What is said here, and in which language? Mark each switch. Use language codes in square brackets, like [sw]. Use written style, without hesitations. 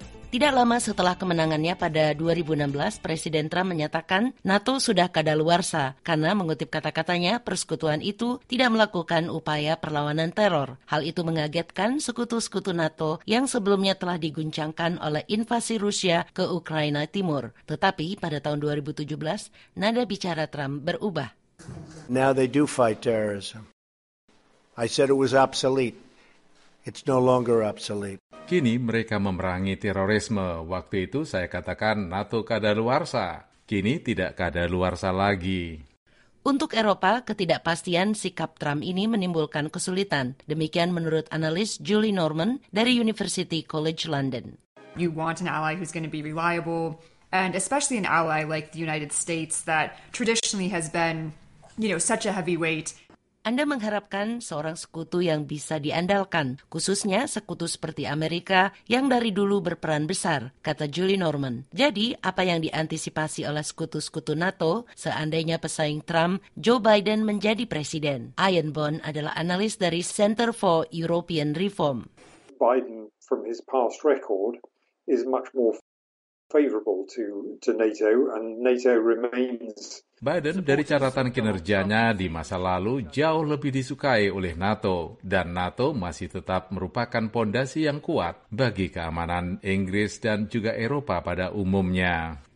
[id] Tidak lama setelah kemenangannya pada 2016, Presiden Trump menyatakan NATO sudah kadaluarsa karena, mengutip kata-katanya, persekutuan itu tidak melakukan upaya perlawanan teror. Hal itu mengagetkan sekutu-sekutu NATO yang sebelumnya telah diguncangkan oleh invasi Rusia ke Ukraina Timur. Tetapi pada tahun 2017, nada bicara Trump berubah. [en] Now they do fight terrorism. I said it was obsolete. It's no longer obsolete. [id] Kini mereka memerangi terorisme. Waktu itu saya katakan NATO kadaluarsa. Kini tidak kadaluarsa lagi. Untuk Eropa, ketidakpastian sikap Trump ini menimbulkan kesulitan. Demikian menurut analis Julie Norman dari University College London. [en] You want an ally who's going to be reliable, and especially an ally like the United States that traditionally has been, you know, such a heavyweight. [id] Anda mengharapkan seorang sekutu yang bisa diandalkan, khususnya sekutu seperti Amerika yang dari dulu berperan besar, kata Julie Norman. Jadi, apa yang diantisipasi oleh sekutu-sekutu NATO seandainya pesaing Trump, Joe Biden, menjadi presiden? Ian Bond adalah analis dari Center for European Reform. [en] Biden, from his past record, is much more favorable to NATO, and NATO remains. [id] Biden dari catatan kinerjanya di masa lalu jauh lebih disukai oleh NATO, dan NATO masih tetap merupakan pondasi yang kuat bagi keamanan Inggris dan juga Eropa pada umumnya.